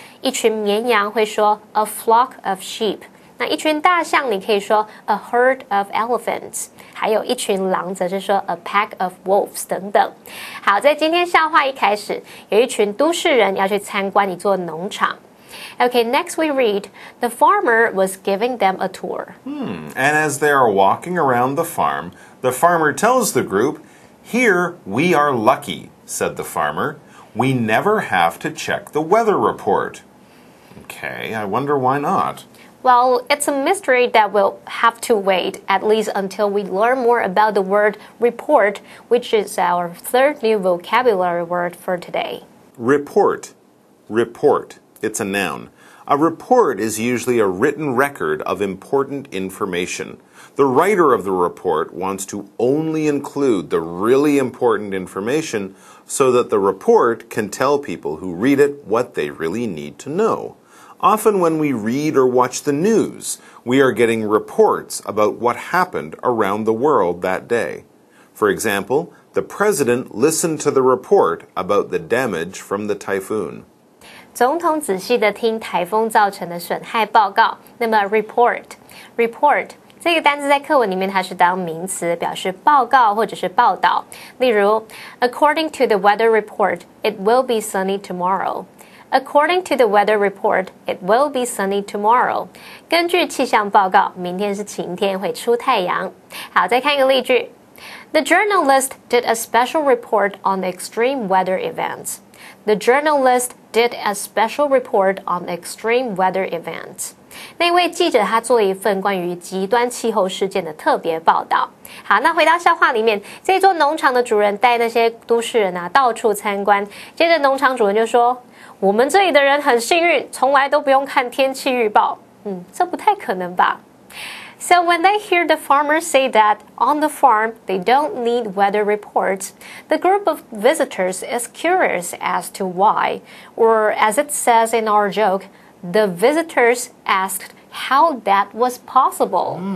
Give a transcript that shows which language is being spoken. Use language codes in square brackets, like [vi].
[zh] 一群绵羊会说 [en] a flock of sheep. [zh] 那一群大象，你可以说 [en] a herd of elephants. [zh] 还有一群狼则是说 [en] a pack of wolves [zh] 等等。好，在今天笑话一开始，有一群都市人要去参观一座农场。 [en] Okay, next we read, the farmer was giving them a tour. And as they are walking around the farmer tells the group, Here, we are lucky, said the farmer. We never have to check the weather report. Okay, I wonder why not. Well, it's a mystery that we'll have to wait, at least until we learn more about the word report, which is our third new vocabulary word for today. Report. Report. It's a noun. A report is usually a written record of important information. The writer of the report wants to only include the really important information so that the report can tell people who read it what they really need to know. Often when we read or watch the news, we are getting reports about what happened around the world that day. For example, the president listened to the report about the damage from the typhoon. [zh] 总统仔细地听台风造成的损害报告。那么 report, report, 这个单字在课文里面它是当名词表示报告或者是报道。例如 [en] according to the weather report, it will be sunny tomorrow. According to the weather report, it will be sunny tomorrow. [zh] 根据气象报告，明天是晴天，会出太阳。好，再看一个例句。 [en] The journalist did a special report on extreme weather events. The journalist did a special report on extreme weather events. [zh] 那位记者他做了一份关于极端气候事件的特别报道。好，那回到笑话里面，这座农场的主人带那些都市人啊到处参观。接着农场主人就说我们这里的人很幸运，从来都不用看天气预报。这不太可能吧。 [en] So when they hear the farmer say that on the farm they don't need weather reports, the group of visitors is curious as to why. Or as it says in our joke, the visitors asked how that was possible.